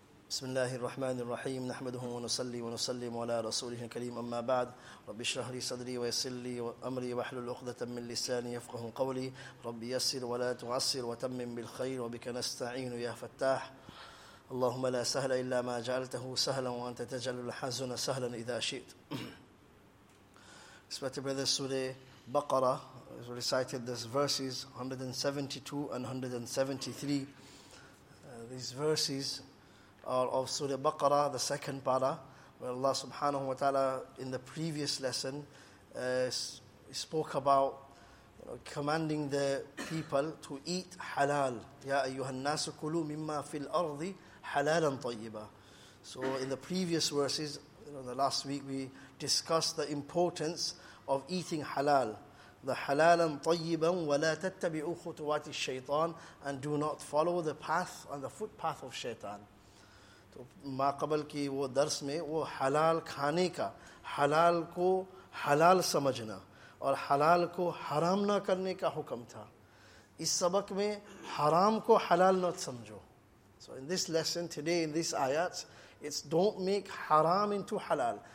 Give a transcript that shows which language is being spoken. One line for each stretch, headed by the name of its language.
Arabic: بسم الله الرحمن الرحيم نحمده ونصلي ونسلم على رسوله الكريم أما بعد رب اشرح لي صدري ويسر لي أمري واحلل عقدة من لساني يفقه قولي رب يسر ولا تعسر وتمم بالخير وبك نستعين يا فتاح اللهم لا سهل إلا ما جعلته سهلا وأنت تجعل الحزن سهلا إذا شئت
English: Respected brothers, Surah Baqarah recited these verses 172 and 173. These verses are of Surah Baqarah, the second para, where Allah subhanahu wa ta'ala in the previous lesson spoke about commanding the people to eat halal.
Arabic: يَا أَيُّهَا النَّاسُ كُلُوا مِمَّا فِي الْأَرْضِ حَلَالًا طَيِّبًا
English: So in the previous verses, the last week we discussed the importance of eating halal. The halalan
Arabic: طَيِّبًا وَلَا تَتَّبِعُوا خُطُوَاتِ الشَّيْطَانِ
English: And do not follow the path and the footpath of shaitan.
Urdu: تو ما قبل کی وہ درس میں وہ حلال کھانے کا حلال کو حلال سمجھنا اور حلال کو حرام نہ کرنے کا حکم تھا اس سبق میں حرام کو حلال نہ سمجھو
English: So in this lesson today, in these ayats, it's don't make haram into halal.